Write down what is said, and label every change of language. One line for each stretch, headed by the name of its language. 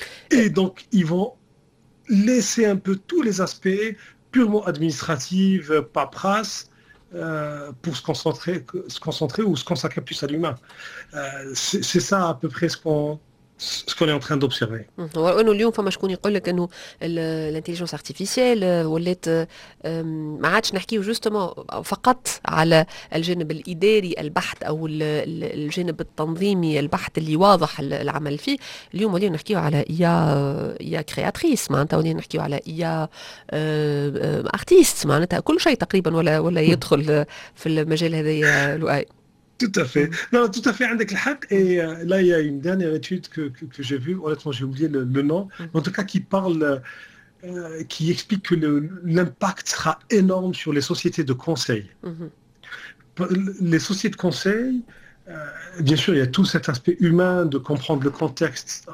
French: Et donc, ils vont laisser un peu tous les aspects purement administratifs, paperasse, pour se concentrer ou se consacrer plus à l'humain. C'est ça à peu près ce qu'on est en train d'observer.
Arabic: وانه اليوم فما شكون يقول لك انه الانتيليجنس ارتيفيسيال ولات ما عادش نحكيو جوستومون فقط على الجانب الاداري البحث او الجانب التنظيمي البحث اللي واضح العمل فيه اليوم ولينا نحكيو على يا كرياتريس معناتها ولينا نحكيو على يا ارتيست معناتها كل شيء تقريبا ولا يدخل في المجال هذا لؤي.
French: Tout à fait. Non, tout à fait, عندك الحق. Et là, il y a une dernière étude que j'ai vue. Honnêtement, j'ai oublié le nom. En tout cas, qui parle, qui explique que l'impact sera énorme sur les sociétés de conseil. Les sociétés de conseil, bien sûr, il y a tout cet aspect humain de comprendre le contexte.